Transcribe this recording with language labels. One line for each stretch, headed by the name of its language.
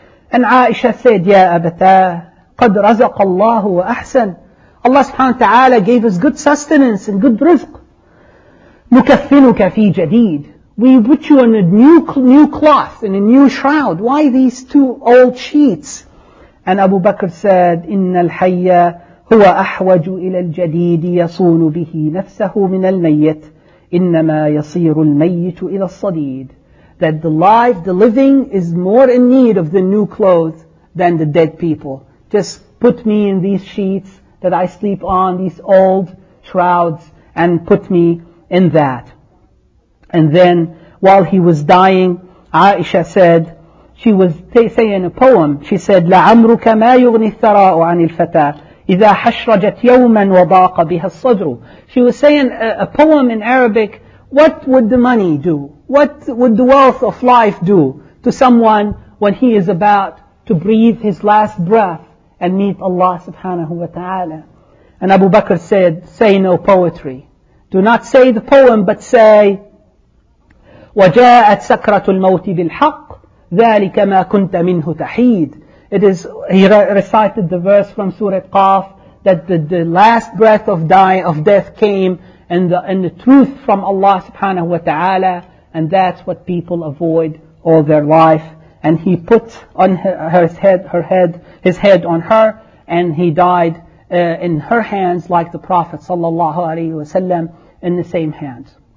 English: And Aisha said,
Arabic: Ya Abata, قَدْ رَزَقَ اللَّهُ وَأَحْسَنْ.
English: Allah subhanahu wa ta'ala gave us good sustenance and good rizq.
Arabic: مُكَفِّنُكَ فِي جَدِيدٍ.
English: We put you in a new cloth, in a new shroud. Why these two old sheets? And Abu Bakr said,
Arabic: إِنَّ الْحَيَّ هُوَ أَحْوَجُ إِلَى الْجَدِيدِ يَصُونُ بِهِ نَفْسَهُ مِنَ الْمَيِّتِ إِنَّمَا يَصِيرُ الْمَيِّتُ إِلَى الصَّدِيدِ.
English: That the life, the living, is more in need of the new clothes than the dead people. Just put me in these sheets that I sleep on, these old shrouds, and put me in that. And then, while he was dying, Aisha said, she was saying a poem. She said,
Arabic: لَعَمْرُكَ مَا يُغْنِي الثَّرَاءُ عَنِ الْفَتَى إِذَا حَشْرَجَتْ يَوْمًا وَضَاقَ بِهَا الصَّدْرُ.
English: She was saying a poem in Arabic. What would the money do? What would the wealth of life do to someone when he is about to breathe his last breath and meet Allah subhanahu wa ta'ala? And Abu Bakr said, say no poetry. Do not say the poem, but say,
Arabic: وَجَاءَتْ سَكْرَةُ الْمَوْتِ بِالْحَقِّ ذَلِكَ مَا كُنْتَ مِنْهُ تَحِيدُ.
English: It is, he recited the verse from Surah Qaf, that the last breath of death came, and the truth from Allah subhanahu wa ta'ala, and that's what people avoid all their life. And he put on his head on her, and he died in her hands, like the Prophet sallallahu alayhi wa sallam, in the same hands.